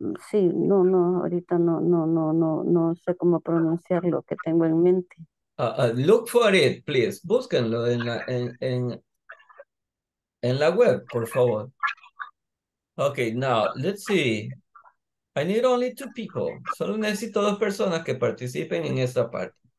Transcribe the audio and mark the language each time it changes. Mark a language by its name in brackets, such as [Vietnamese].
[Spanish] Sí, no, no, ahorita no, no, no, no, no sé cómo pronunciar lo que tengo en mente. [English] Look for it, please. [Spanish] Búsquenlo en la, en la web, por favor. [English] Okay, now, let's see. I need only two people. [Spanish] Solo necesito dos personas que participen en esta parte.